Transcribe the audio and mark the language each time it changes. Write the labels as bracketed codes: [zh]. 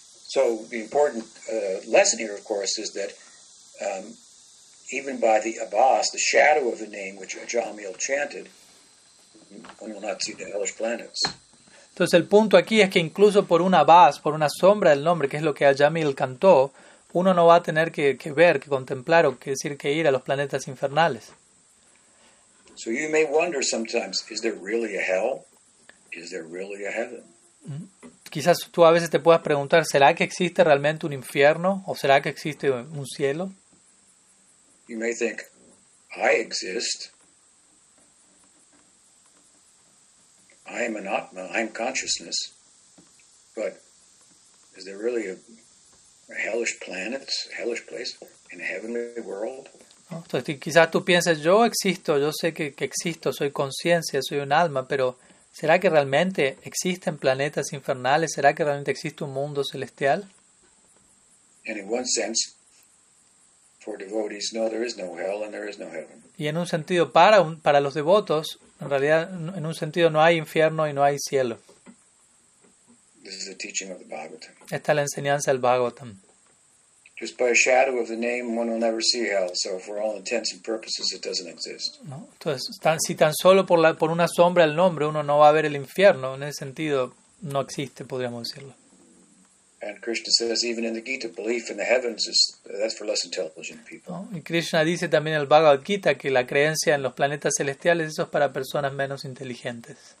[en] So the important lesson here, of course, is that even by the abbas, the shadow of the name which Ajamil chanted, one will not see the hellish planets. [es] Entonces el punto aquí es que incluso por un abbas, por una sombra del nombre, que es lo que Ajamil cantó, uno no va a tener que ver, que contemplar o que decir que ir a los planetas infernales. [en] So you may wonder sometimes, is there really a hell? Is there really a heaven? [es] Quizás tú a veces te puedas preguntar, ¿será que existe realmente un infierno o será que existe un cielo? [en] You may think, I exist. I am an atma, I am consciousness. But is there really a hellish planet, a hellish place in a heavenly world? [es] Entonces, quizás tú pienses, yo existo, yo sé que existo, soy conciencia, soy un alma, pero ¿será que realmente existen planetas infernales? ¿Será que realmente existe un mundo celestial? [en] And in one sense, for devotees, no, there is no hell and there is no heaven. [es] Y en un sentido para los devotos, en realidad, en un sentido no hay infierno y no hay cielo. [en] This is the teaching of the Bhagavatam. [es] Esta es la enseñanza del Bhagavatam. [en] Just by a shadow of the name, one will never see hell. So, for all intents and purposes, it doesn't exist. No. [es] Entonces, si tan solo por una sombra del nombre, uno no va a ver el infierno. En ese sentido, no existe, podríamos decirlo. [en] And Krishna says, even in the Gita, belief in the heavens is that's for less intelligent people. No. [es] Y Krishna dice también en el Bhagavad Gita que la creencia en los planetas celestiales eso es para personas menos inteligentes.